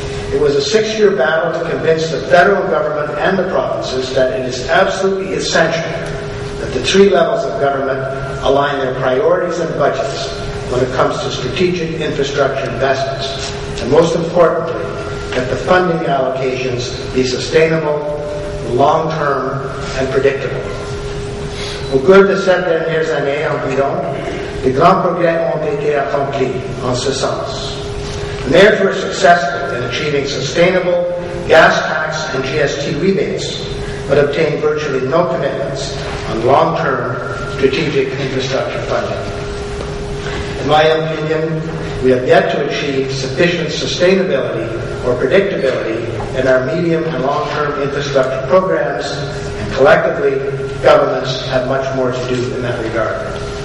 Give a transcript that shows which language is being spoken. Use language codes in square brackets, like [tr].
[en] It was a six-year battle to convince the federal government and the provinces that it is absolutely essential that the three levels of government align their priorities and budgets when it comes to strategic infrastructure investments, and most importantly, that the funding allocations be sustainable, long-term, and predictable. [fr] Au cours de ces dernières années environ, les grands progrès ont été accomplis en ce sens. [en] The mayors were successful in achieving sustainable gas tax and GST rebates, but obtained virtually no commitments on long-term strategic infrastructure funding. In my opinion, we have yet to achieve sufficient sustainability or predictability in our medium and long-term infrastructure programs, and collectively, governments have much more to do in that regard.